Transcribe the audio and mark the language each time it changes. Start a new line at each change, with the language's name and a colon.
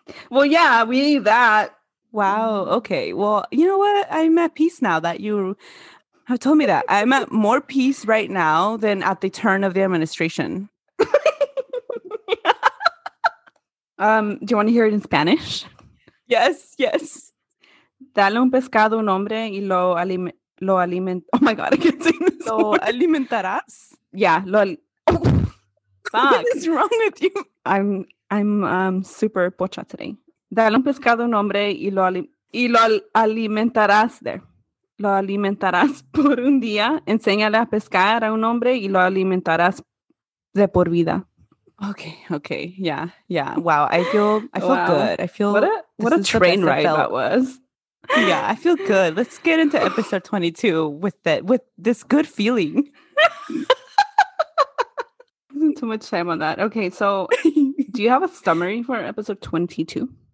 English: Well, yeah, we need that. Wow. Okay. Well, you know what? I'm at peace now that you have told me that. I'm at more peace right now than at the turn of the administration. Do you want to hear it in Spanish? Yes.
Spanish: Dale un pescado un hombre y lo alimenta.
English: Oh my God, I can't say this.
Spanish: Lo alimentarás.
English: Yeah. Fuck. What is wrong with you? I'm super pocha today.
Spanish: Dale un pescado un hombre y lo alimentarás. There. Lo alimentarás por un día. Enséñale a pescar a un hombre y lo alimentarás de por vida.
English: Okay. Yeah. Wow. I feel good. I feel what a train ride that was. Yeah, I feel good. Let's get into episode 22 with this good feeling. Isn't too much time on that. Okay, so do you have a summary for episode 22?